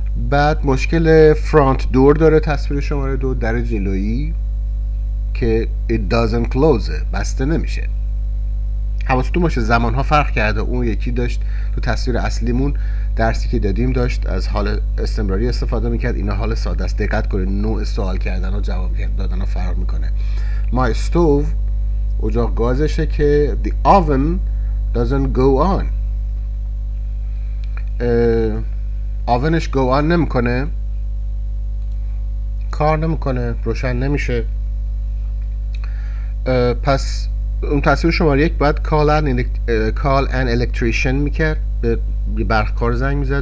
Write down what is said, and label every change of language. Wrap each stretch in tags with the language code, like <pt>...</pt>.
<fa>بعد مشکل فرانت دور داره تصویر شماره دو در جلویی که</fa> <en>it doesn't close</en> <fa>بسته نمیشه. حواستون باشه زمان ها فرق کرده. اون یکی داشت تو تصویر اصلیمون درسی که دادیم داشت از حال استمراری استفاده میکرد. اینا حال ساده است. دقت کنید نوع سوال کردن و جواب دادن ها فرق میکنه.</fa> <en>my stove</en> <fa>اجاق گازشه که</fa> <en>the oven doesn't go on.</en> <fa>آونش گو آن نمیکنه، کار نمیکنه، روشن نمیشه. پس اون تصویر شماره یک باید کال ان الکتریشن میکرد، به برق کار زنگ میزد.</fa>